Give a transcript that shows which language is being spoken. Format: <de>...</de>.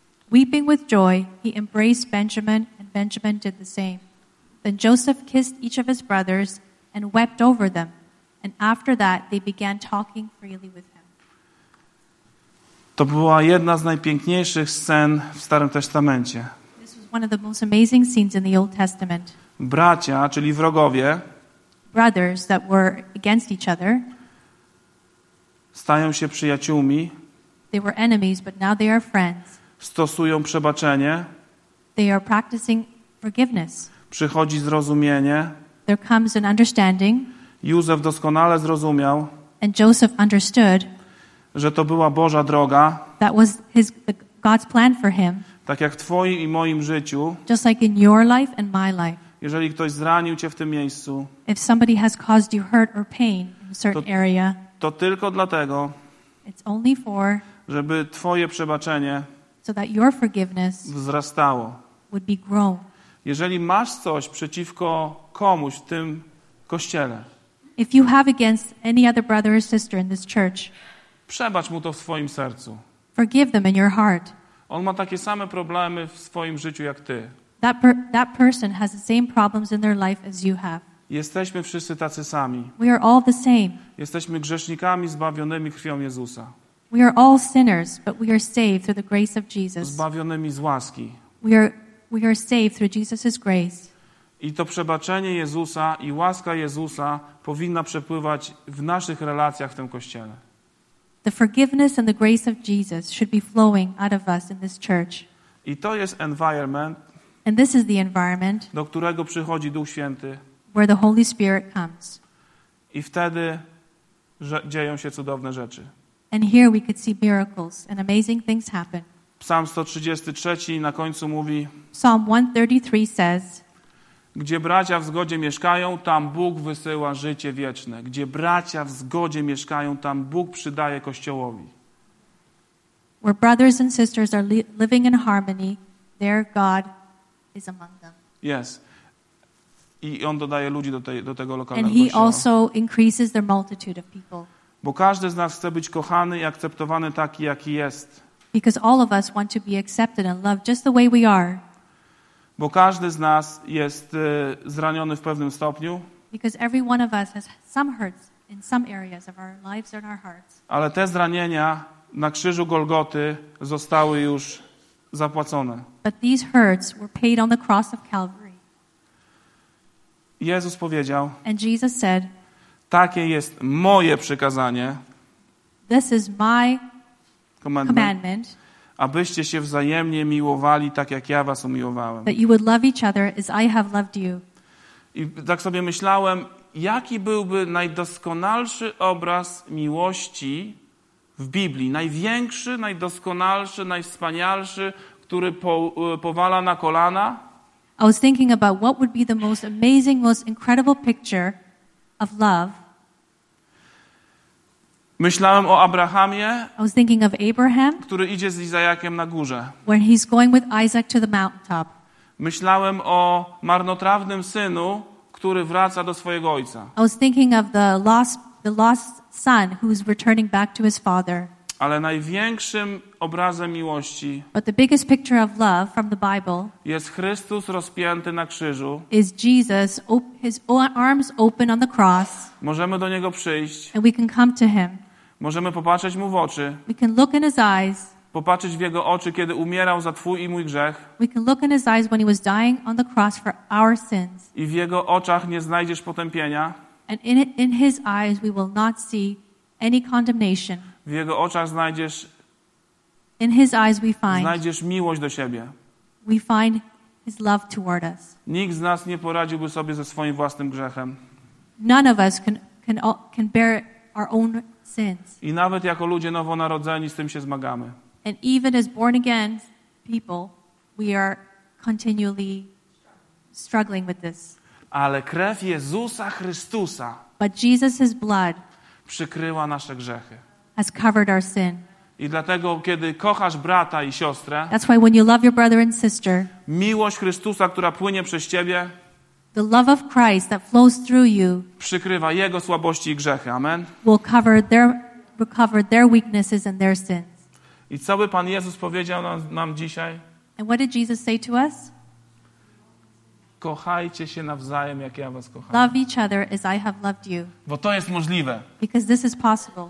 <en>Weeping with joy, he embraced Benjamin, and Benjamin did the same. Then Joseph kissed each of his brothers and wept over them, and after that they began talking freely with him.</en> <pl>To była jedna z najpiękniejszych scen w Starym Testamencie.</pl> <en>This was one of the most amazing scenes in the Old Testament.</en> <pl>Bracia, czyli wrogowie,</pl> <en>brothers that were against each other,</en> <pl>stają się przyjaciółmi.</pl> <en>They were enemies, but now they are friends.</en> <pl>Stosują przebaczenie.</pl> <en>They are practicing forgiveness.</en> <pl>Przychodzi zrozumienie.</pl> <en>There comes an understanding.</en> <pl>Józef doskonale zrozumiał.</pl> <en>And Joseph understood.</en> <pl>Że to była Boża droga.</pl> <en>That was God's plan for him.</en> <pl>Tak jak w twoim i moim życiu.</pl> <en>Just like in your life and my life.</en> <pl>Jeżeli ktoś zranił cię w tym miejscu.</pl> <en>If somebody has caused you hurt or pain in a certain area.</en> <pl>To tylko dlatego.</pl> <en>It's only for</en> <pl>żeby twoje przebaczenie</pl> <en>so that your forgiveness</en> <pl>wzrastało.</pl> <en>Would be grown.</en> <pl>Jeżeli masz coś przeciwko komuś w tym kościele,</pl> <en>if you have against any other brother or sister in this church,</en> <pl>przebacz mu to w swoim sercu.</pl> <en>Forgive them in your heart.</en> <pl>On ma takie same problemy w swoim życiu jak ty.</pl> <en>That person has the same problems in their life as you have.</en> <pl>Jesteśmy wszyscy tacy sami.</pl> <en>We are all the same.</en> <pl>Jesteśmy grzesznikami zbawionymi krwią Jezusa.</pl> <en>We are all sinners, but we are saved through the grace of Jesus.</en> <pl>Zbawionymi z łaski.</pl> <en>We are saved through Jesus's grace.</en> <pl>I to przebaczenie Jezusa i łaska Jezusa powinna przepływać w naszych relacjach w tym kościele.</pl> <en>The forgiveness and the grace of Jesus should be flowing out of us in this church.</en> <pl>I to jest</pl> <en>environment. And this is the environment.</en> <pl>Do którego przychodzi Duch Święty.</pl> <en>Where the Holy Spirit comes.</en> <pl>I wtedy dzieją się cudowne rzeczy.</pl> <en>And here we could see miracles and amazing things happen.</en> <pl>Psalm 133 na końcu mówi.</pl> <en>Psalm 133 says.</en> <pl>Gdzie bracia w zgodzie mieszkają, tam Bóg wysyła życie wieczne. Gdzie bracia w zgodzie mieszkają, tam Bóg przydaje Kościołowi.</pl> <en>Where brothers and sisters are living in harmony, their God is among them. Yes.</en> <pl>I on dodaje ludzi do tego lokalnego</pl> <en>and he</en> <pl>kościoła.</pl> <en>Also increases their multitude of people.</en> <pl>Bo każdy z nas chce być kochany i akceptowany taki, jaki jest.</pl> <en>Because all of us want to be accepted and loved just the way we are.</en> <pl>Bo każdy z nas jest zraniony w pewnym stopniu.</pl> <en>Because every one of us has some hurts in some areas of our lives and our hearts.</en> <pl>Ale te zranienia na krzyżu Golgoty zostały już zapłacone.</pl> <en>But these hurts were paid on the cross of Calvary.</en> <pl>Jezus powiedział.</pl> <en>And Jesus said,</en> <pl>takie jest moje przykazanie.</pl> <en>This is my commandment.</en> <pl>Abyście się wzajemnie miłowali tak jak ja was umiłowałem.</pl> <en>That you would love each other as I have loved you.</en> <pl>I tak sobie myślałem, jaki byłby najdoskonalszy obraz miłości w Biblii, największy, najdoskonalszy, najwspanialszy, który powala na kolana?</pl> <en>I was thinking about what would be the most amazing, most incredible picture of love.</en> <pl>Myślałem o Abrahamie,</pl> <en>I was thinking of Abraham,</en> <pl>który idzie z Izajakiem na górze.</pl> <en>When he's going with Isaac to the mountaintop.</en> <pl>Myślałem o marnotrawnym synu, który wraca do swojego ojca.</pl> <en>I was thinking of the lost son who is returning back to his father.</en> <pl>Ale największym obrazem miłości,</pl> <en>but the biggest picture of love from the Bible,</en> <pl>jest Chrystus rozpięty na krzyżu.</pl> <en>Is Jesus, his arms open on the cross.</en> <pl>Możemy do niego przyjść.</pl> <en>And we can come to him.</en> <pl>Możemy popatrzeć mu w oczy.</pl> <en>We can look in his eyes.</en> <pl>Popatrzeć w jego oczy, kiedy umierał za twój i mój grzech.</pl> <en>We can look in his eyes when he was dying on the cross for our sins.</en> <pl>I w jego oczach nie znajdziesz potępienia.</pl> <en>And in his eyes we will not see any condemnation.</en> <pl>W jego oczach znajdziesz.</pl> <en>In his eyes we find.</en> <pl>Znajdziesz miłość do siebie.</pl> <en>We find his love toward us.</en> <pl>Nikt z nas nie poradziłby sobie ze swoim własnym grzechem.</pl> <en>None of us can bear our own sins.</en> <pl>I nawet jako ludzie nowonarodzeni z tym się zmagamy.</pl> <en>And even as born again people, we are continually struggling with this.</en> <pl>Ale krew Jezusa Chrystusa.</pl> <en>But Jesus's blood.</en> <pl>Przykryła nasze grzechy.</pl> <en>Has covered our sin.</en> <pl>I dlatego, kiedy kochasz brata i siostrę,</pl> <en>that's why when you love your brother and sister,</en> <pl>miłość Chrystusa, która płynie przez ciebie,</pl> <en>the love of Christ that flows through you,</en> <pl>przykrywa jego słabości i grzechy.</pl> <en>Amen. Will cover their weaknesses and their sins.</en> <pl>I co by Pan Jezus powiedział nam dzisiaj?</pl> <en>And what did Jesus say to us?</en> <pl>Kochajcie się nawzajem, jak ja was kocham.</pl> <en>Love each other as I have loved you.</en> <pl>Bo to jest możliwe.</pl> <en>Because this is possible.</en>